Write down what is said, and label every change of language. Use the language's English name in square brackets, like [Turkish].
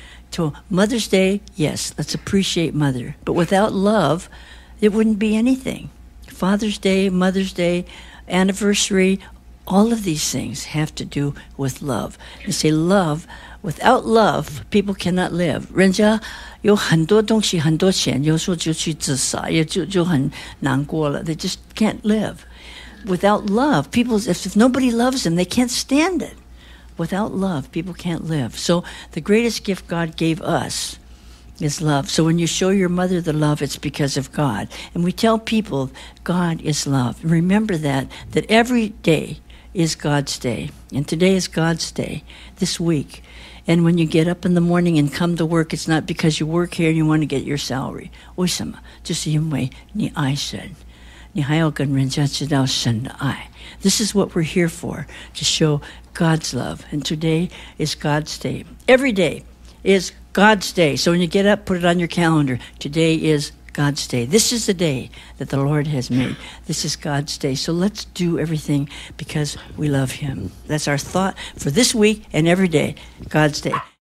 [English] So Mother's Day, yes, let's appreciate Mother. But without love, it wouldn't be anything. Father's Day, Mother's Day, anniversary, all of these things have to do with love. You say love, without love, people cannot live. [Chinese] 人家有很多东西，很多钱，有时候就去自杀，也就很难过了。 [English] They just can't live. Without love, people, if nobody loves them, they can't stand it. Without love, people can't live. So the greatest gift God gave us is love. So when you show your mother the love, it's because of God. And we tell people, God is love. Remember that every day is God's day. And today is God's day, this week. And when you get up in the morning and come to work, it's not because you work here and you want to get your salary. [Chinese] 为什么？就是因为你爱神。你还要跟人家知道神的爱。 [English] This is what we're here for, to show God's love. And today is God's day. Every day is God's day. So when you get up, put it on your calendar. Today is God's day. This is the day that the Lord has made. This is God's day. So let's do everything because we love Him. That's our thought for this week and every day. God's day.